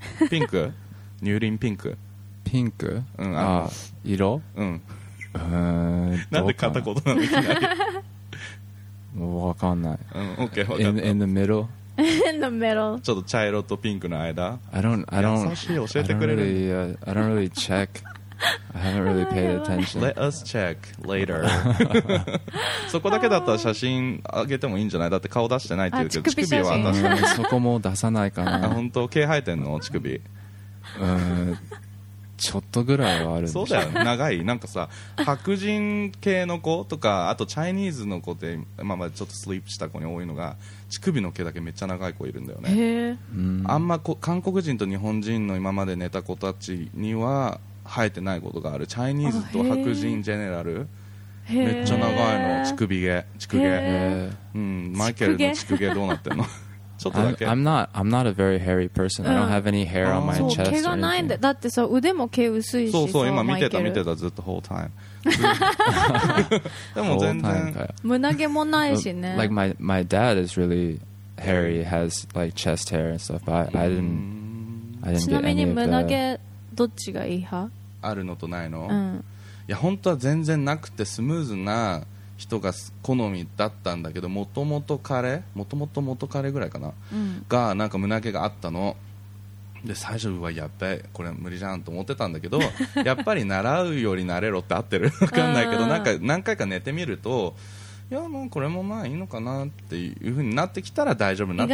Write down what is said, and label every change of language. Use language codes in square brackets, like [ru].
[ja] ピンク乳輪ピンクピンク、うん、ああ色、うん、なんで片言なんでもう分かんない、うん、OK 分 [en] かった、 in the middle、 in the middle、 [ja] ちょっと茶色とピンクの間、 [en] I don't [ja] 優しい、教えてくれる、 [en] I don't really check I haven't really paid attention let us check later [ja] そこだけだったら写真あげてもいいんじゃない、だって顔出してないっていうけど乳首は確かにそこも出さないかな本当毛生えてんの乳首、うん、ちょっとぐらいはあるんでしょ、そうだよ長い、なんかさ白人系の子とかあとチャイニーズの子で今までちょっとスリープした子に多いのが乳首の毛だけめっちゃ長い子いるんだよね、へ、あんま韓国人と日本人の今まで寝た子たちには生えてないことがある、チャイニーズと白人ジェネラル、へ、めっちゃ長いの乳首毛、乳首毛、へ、うん、マイケルの乳首毛どうなってんのちょっとだけ [en] I'm not a very hairy person、うん、I don't have any hair on my chest、 [ja] 毛がないんだ、 だってさ腕も毛薄いし、そうそう今見てた見てたずっと [en] whole time [ja] でも全然胸毛もないしね、 [en] like my dad is really hairy, has like chest hair and stuff, but I didn't [ja] ちなみに胸毛どっちがいい派、あるのとないの、うん、いや本当は全然なくてスムーズな人が好みだったんだけど、元々彼ぐらいかな、うん、がなんか胸毛があったので、最初はやっべこれ無理じゃんと思ってたんだけどやっぱり習うより慣れろって合ってるわかんないけど、なんか何回か寝てみると、いやもうこれもまあいいのかなっていう風になってきたら大丈夫になって